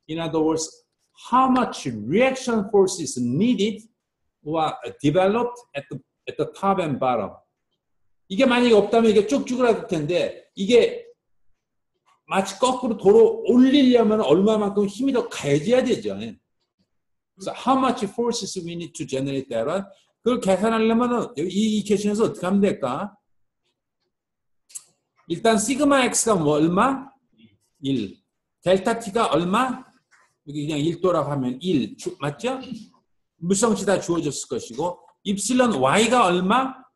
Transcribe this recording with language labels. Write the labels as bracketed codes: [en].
[en] In other words, how much reaction force is needed or developed at the top and bottom. [ko] 이게 만약에 없다면 이게 쭉쭉이라도 텐데 이게 마치 거꾸로 도로 올리려면 얼마만큼 힘이 더 가해져야 되죠. [en] So how much forces we need to generate that? [ko] 그걸 계산하려면 이 캐시에서 어떻게 하면 될까? 일단 sigma x가 뭐 얼마? 1. delta t가 얼마? 여기 그냥 1도라고 하면 1. 맞죠? 물성치 다 주어졌을 것이고 epsilon y가 얼마?